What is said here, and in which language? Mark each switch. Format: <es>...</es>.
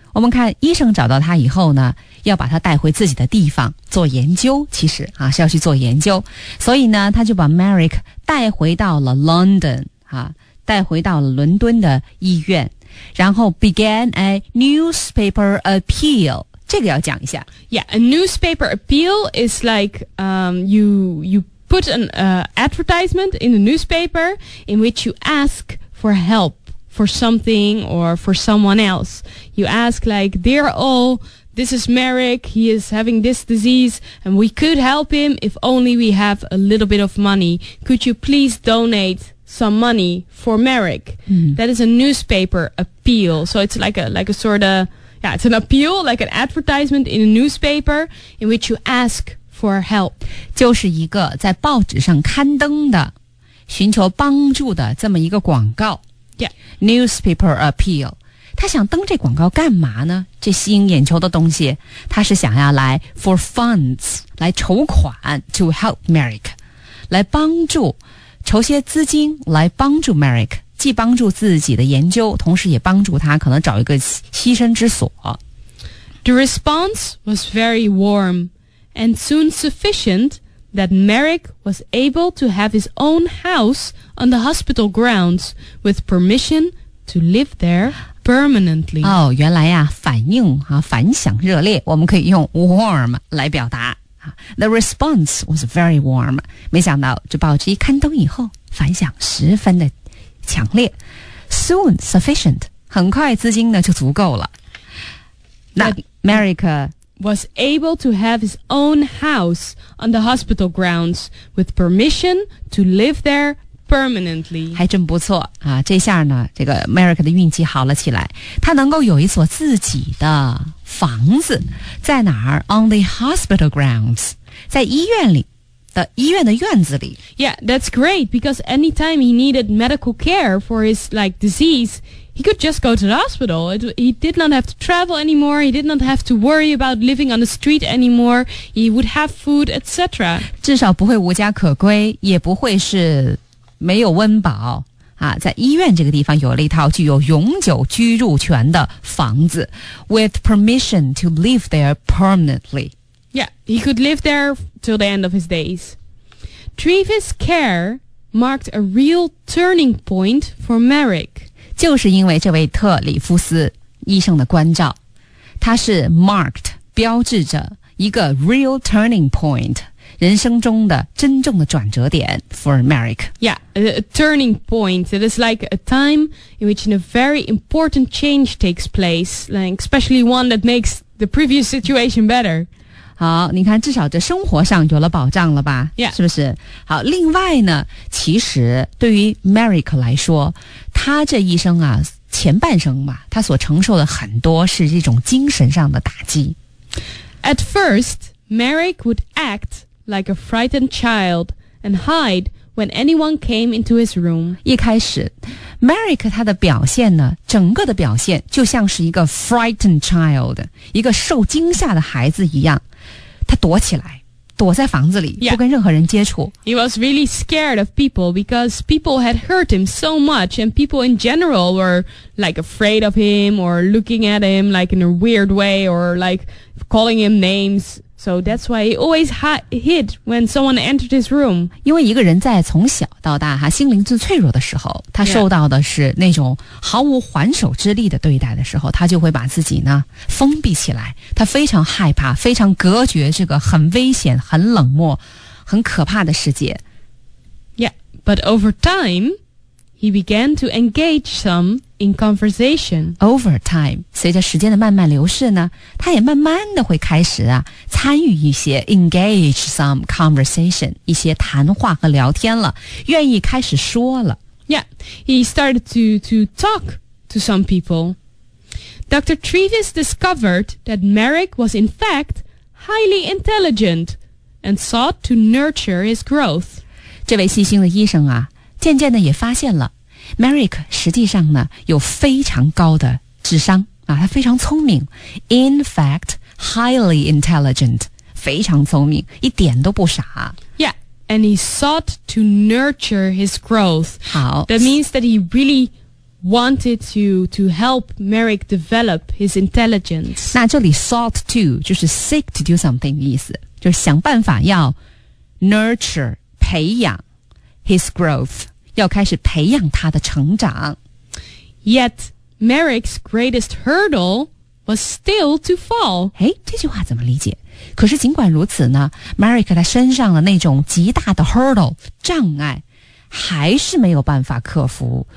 <zh>我们看医生找到他以后呢，要把他带回自己的地方做研究，其实啊是要去做研究，所以呢他就把 Merrick 带回到了 London, 啊带回到了伦敦的医院，然后</zh> <en>began a newspaper appeal.</en> <zh>这个要讲一下。</zh> <en>Yeah, a newspaper appeal is like, you put an advertisement in the newspaper in which you ask for help for something or for someone else. You ask like, dear all, this is Merrick, he is having this disease and we could help him if only we have a little bit of money. Could you please donate some money for Merrick? That is a newspaper appeal. So it's like a sort of, yeah, it's an appeal, like an advertisement in a newspaper in which you ask for help.</en> <zh>就是一个在报纸上刊登的寻求帮助的这么一个广告。</zh> <en>Yeah. Newspaper appeal.</en> <zh>他想登这广告干嘛呢？这吸引眼球的东西，他是想要来</zh> <en>for funds,</en> <zh>来筹款</zh> <en>to help Merrick,</en> <zh>来帮助筹些资金来帮助 Merrick, 既帮助自己的研究，同时也帮助他可能找一个栖身之所。</zh> <en>The response was very warm and soon sufficient that Merrick was able to have his own house on the hospital grounds with permission to live there permanently.</en> <zh>哦，原来呀，反应啊，反响热烈，我们可以用 warm 来表达。</zh> <en>The response was very warm.</en> <zh>没想到这报纸一刊登以后反响十分的强烈。</zh> <en>Soon sufficient,</en> <zh>很快资金呢就足够了。那 Merrick</zh> <en>was able to have his own house on the hospital grounds with permission to live there permanently.</en> <zh>还真不错啊，这下呢这个 Merrick 的运气好了起来。他能够有一所自己的房子，在哪儿？</zh> <en>On the hospital grounds,</en> <zh>在医院里的医院的院子里。</zh> <en>Yeah, that's great, because anytime he needed medical care for his like disease, he could just go to the hospital. He did not have to travel anymore, he did not have to worry about living on the street anymore, he would have food, etc.</en> <zh>至少不会无家可归，也不会是没有温饱啊，在医院这个地方有了一套具有永久居住权的房子</zh> <en>with permission to live there permanently. Yeah, he could live there till the end of his days. Treva's care marked a real turning point for Merrick.</en> <zh>就是因为这位特里夫斯医生的关照，他是 marked, 标志着一个</zh> <en>real turning point,</en> <zh>人生中的真正的转折点</zh> <en>for Merrick. Yeah, a turning point. It is like a time in which a very important change takes place, like especially one that makes the previous situation better.</en> <zh>好，你看至少这生活上有了保障了吧？</zh> <en>Yeah.</en> <zh>是不是？好，另外呢，其实对于 Merrick 来说，他这一生啊，前半生吧，他所承受的很多是这种精神上的打击。</zh> <en>At first, Merrick would act... like a frightened child, and hide when anyone came into his room.</en> <zh>一开始 ,Merrick 他的表现呢，整个的表现就像是一个</zh> <en>frightened child,</en> <zh>一个受惊吓的孩子一样。他躲起来，躲在房子里、</zh> <en>yeah.</en> <zh>不跟任何人接触。</zh> <en>He was really scared of people because people had hurt him so much, and people in general were like afraid of him, or looking at him like in a weird way, or like calling him names. So that's why he always hid when someone entered his room.</en> <zh>因为一个人在从小到大哈，心灵最脆弱的时候，他受到的是那种毫无还手之力的对待的时候，他就会把自己呢封闭起来。他非常害怕，非常隔绝这个很危险、很冷漠、很可怕的世界。</zh> <en>Yeah, but over time, he began to engage some in conversation. Over time,</en> <zh>随着时间的慢慢流逝呢，他也慢慢的会开始啊参与一些</zh> <en>engage some conversation,</en> <zh>一些谈话和聊天了，愿意开始说了。</zh> <en>Yeah, he started to talk to some people. Dr. Treves discovered that Merrick was in fact highly intelligent and sought to nurture his growth.</en> <zh>这位细心的医生啊，渐渐的也发现了 Merrick 实际上呢有非常高的智商啊，他非常聪明</zh> <en>In fact, highly intelligent,</en> <zh>非常聪明，一点都不傻。</zh> <en>Yeah, and he sought to nurture his growth.</en> <zh>好，</zh> <en>That means that he really wanted to help Merrick develop his intelligence.</en> <zh>那这里</zh> <en>sought to</en> <zh>就是</zh> <en>seek to do something</en> <zh>的意思，就是想办法要 nurture 培养</zh> <en>his growth，</en> <zh>要开始培养他的成长。</zh> <en>Yet, Merrick's greatest hurdle was still to fall.</en> <zh>诶，这句话怎么理解？可是尽管如此呢， Merrick 他身上的那种极大的 hurdle, 障碍还是没有办法克服。</zh>